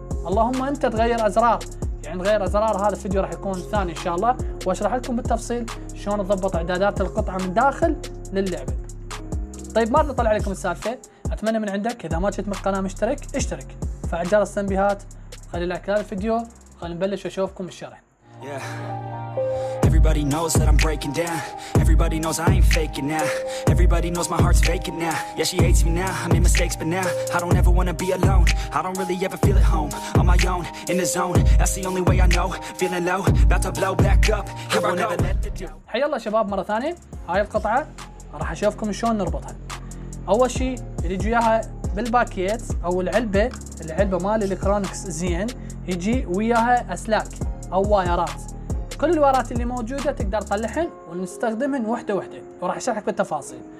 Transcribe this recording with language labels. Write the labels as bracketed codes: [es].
[ar] اللهم انت تغير ازرار، يعني غير ازرار. هذا الفيديو راح يكون ثاني ان شاء الله، واشرح لكم بالتفصيل شلون تضبط اعدادات القطعه من داخل للعبه. طيب ما راح اطلع عليكم السالفه، اتمنى من عندك اذا ما شفت القناه مشترك اشترك، فعل جرس التنبيهات، خلي لايك للفيديو، خلينا نبلش واشوفكم الشرح. [en] Everybody knows that I'm breaking down. Everybody knows I ain't faking now. Everybody knows my heart's faking now. Yeah, she hates me now. I made mistakes, but now I don't ever wanna be alone. I don't really ever feel at home. On my own, in the zone. That's the only way I know. Feeling low, about to blow back up. Here I go. [ar] حيا الله شباب مرة ثانية. هاي القطعة راح أشوفكم شلون نربطها. أول شيء اللي يجي وياها بالباكيت أو العلبة، العلبة مال الكرونكس زين، يجي وياها أسلاك أو وايرات. كل الوارات اللي موجودة تقدر تطلعهن ونستخدمهن وحدة وحدة، وراح اشرحك بالتفاصيل.